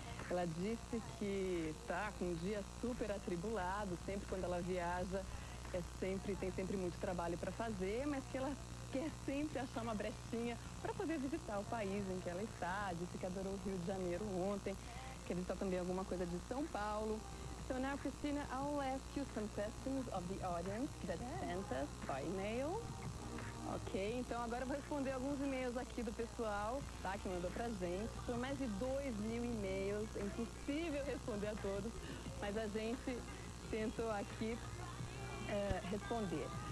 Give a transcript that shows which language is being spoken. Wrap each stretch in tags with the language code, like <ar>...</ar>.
<pt>Ela disse que tá com um dia super atribulado, sempre quando ela viaja. Tem sempre muito trabalho para fazer, mas que ela quer sempre achar uma brechinha para poder visitar o país em que ela está. Disse que adorou o Rio de Janeiro ontem, quer visitar também alguma coisa de São Paulo.</pt> <en>So now, Cristina, I'll ask you some questions of the audience that sent us by email.</en> <pt>Ok, então agora eu vou responder alguns e-mails aqui do pessoal, tá, que mandou pra gente. São mais de 2.000 e-mails, é impossível responder a todos, mas a gente tentou aqui responder.</pt>